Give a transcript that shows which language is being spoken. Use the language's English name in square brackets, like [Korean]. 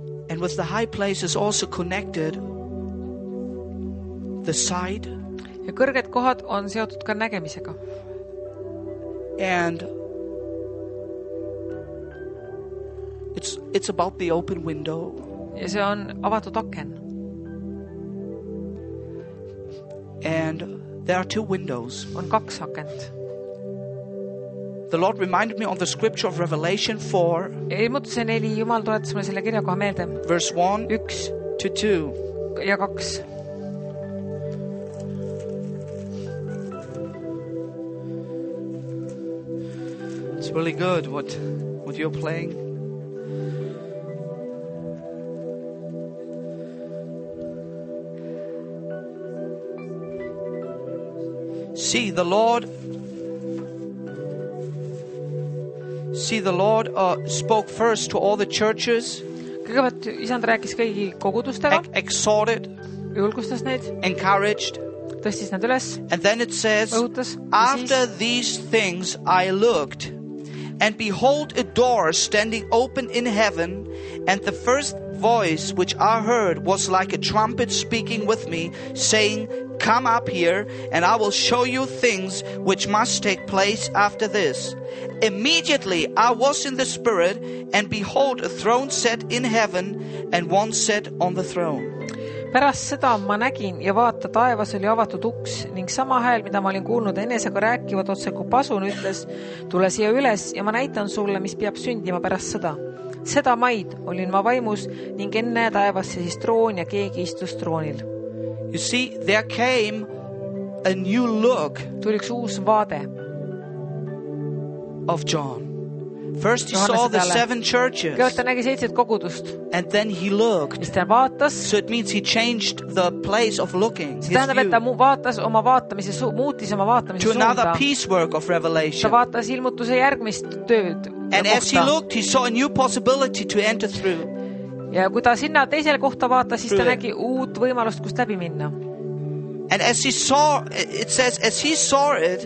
[English] And with the high places also connected the sight. [Estonian] Ja kõrged kohad on seotud ka nägemisega. [English] And it's about the open window. [Estonian] Ja see on avatud aken. [English] And there are two windows. [Estonian] On kaks akent. [English] The Lord reminded me on the scripture of Revelation 4. Verse 1 to 2. Ja 2. Verse 1 and 2. It's really good what you're playing. See the Lord. See, the Lord spoke first to all the churches. [Estonian] Kõigepealt isand rääkis kõigi kogudustega. [English] Exhorted. [Estonian] Julgustas neid. [English] Encouraged. [Estonian] Tõstis nad üles. [English] And then it says, [Estonian] õhutas, [English] after [Estonian] siis, [English] these things I looked, and behold a door standing open in heaven, and the first voice which I heard was like a trumpet speaking with me, saying, come up here, and I will show you things which must take place after this. Immediately I was in the spirit, and behold, a throne set in heaven, and one set on the throne. [Estonian] Pärast seda ma nägin ja vaata, taevas oli avatud uks, ning sama hääl, mida ma olin kuulnud enesega rääkivad otse, kui pasun ütles, tule siia üles ja ma näitan sulle, mis peab sündima pärast seda. Seda maid olin ma vaimus, ning enne taevasse siis troon ja keegi istus troonil. [English] You see, there came a new look. [Estonian] Tuli üks uus vaade. [English] Of John. First he saw the seven churches. [Estonian] Kõik ta nägi seitset kogudust. [English] And then he looked. [Estonian] Siis ta vaatas. [English] So it means he changed the place of looking. [Estonian] See, tähendab, et ta vaatas oma vaatamise, muutis oma vaatamise suunda. [English] To another piece work of revelation. [Estonian] Ta vaatas ilmutuse järgmist tööd. [English] And as he looked, he saw a new possibility to enter through. [Estonian] Ja kui ta sinna teisele kohta vaatas, siis ta nägi uut võimalust, kust läbi minna. [English] And as he saw, it says, as he saw it,